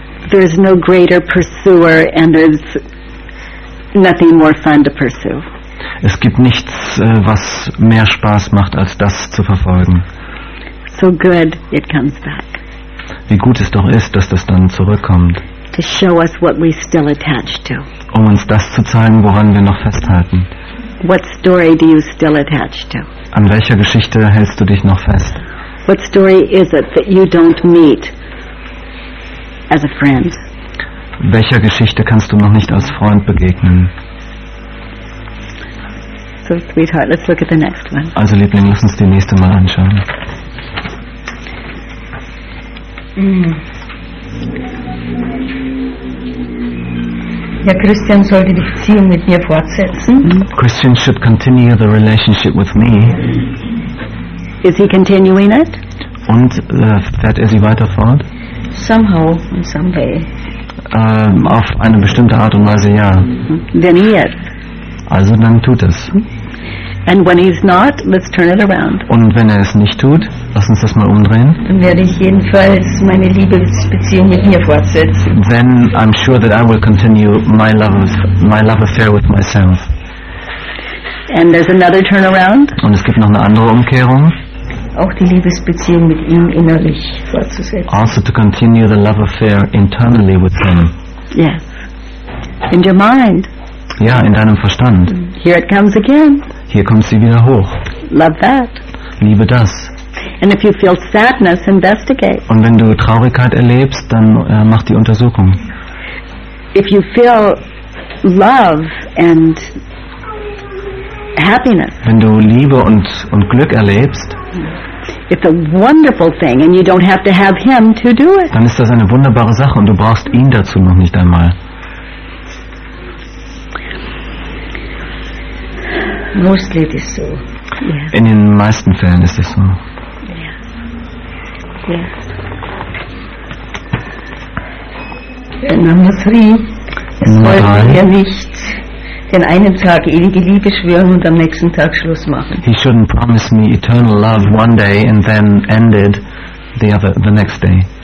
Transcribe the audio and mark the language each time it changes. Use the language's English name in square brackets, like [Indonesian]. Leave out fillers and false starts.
[English] There's no greater pursuer and there's nothing more fun to pursue. [German] Es gibt nichts, was mehr Spaß macht, als das zu verfolgen. [English] So good, it comes back. [German] wie gut es doch ist, dass das dann zurückkommt. [English] To show us what we still attach to. [German] Um uns das zu zeigen, woran wir noch festhalten. [English] What story do you still attach to? [German] An welcher Geschichte hältst du dich noch fest? [English] What story is it that you don't meet as a friend? [German] Welcher Geschichte kannst du noch nicht als Freund begegnen? [English] So, sweetheart, let's look at the next one. [German] Also, Liebling, lass uns die nächste mal anschauen. Ja, Christian sollte die Beziehung mit mir fortsetzen. [English] Christian should continue the relationship with me. Is he continuing it? [German] Und fährt er sie weiter fort? [English] Somehow, in some way. [German] Auf eine bestimmte Art und Weise, ja. [English] Then he is. [German] Also dann tut es. [English] And when he's not, let's turn it around. [German] Und wenn er es nicht tut, lass uns das mal umdrehen. Dann werde ich jedenfalls meine Liebesbeziehung mit mir fortsetzen. [English] Then I'm sure that I will continue my love affair with myself. And there's another turnaround. [German] Und es gibt noch eine andere Umkehrung. Auch die Liebesbeziehung mit ihm innerlich fortzusetzen. [English] Also to continue the love affair internally with him. Yes. In your mind. [German] Ja, in deinem Verstand. [English] Here it comes again. [German] Hier kommt sie wieder hoch. [English] Love that. [German] Liebe das. [English] And if you feel sadness, investigate. [German] Und wenn du Traurigkeit erlebst, dann mach die Untersuchung. [English] If you feel love and happiness. [German] Wenn du Liebe und Glück erlebst. [English] It's a wonderful thing and you don't have to have him to do it. [German] Dann ist das eine wunderbare Sache und du brauchst ihn dazu noch nicht einmal. [English] Mostly it is so. Yes. [German] In den meisten Fällen ist es so. [English] Yes. Number three. [German] Es sollte er nicht den einen Tag ewige Liebe schwören und am nächsten Tag Schluss machen. [English] He shouldn't promise me eternal love one day and then end it the next day.